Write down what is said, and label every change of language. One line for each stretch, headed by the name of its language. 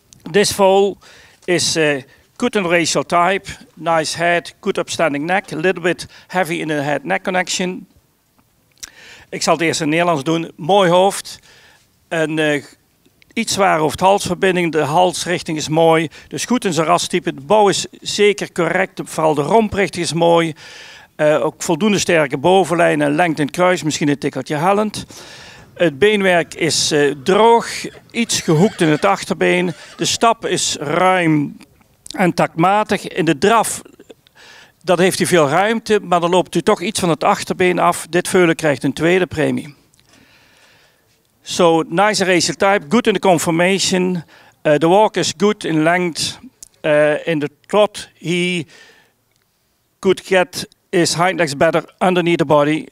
English: This foal is good in racial type, nice head, good upstanding neck, a little bit heavy in the head-neck connection.
Dutch: Ik zal het eerst in Nederlands doen. Mooi hoofd. Een iets zware hoofd-halsverbinding. De halsrichting is mooi. Dus goed in zijn rastype. De bouw is zeker correct. Vooral de romprichting is mooi. Ook voldoende sterke bovenlijn en lengte in kruis. Misschien een tikkeltje hellend. Het beenwerk is droog. Iets gehoekt in het achterbeen. De stap is ruim en taktmatig. In de draf... Dat heeft hij veel ruimte, maar dan loopt hij toch iets van het achterbeen af. Dit veulen krijgt een tweede premie.
English: So, nice racial type, good in the conformation. The walk is good in length. In the trot, he could get his hind legs better underneath the body.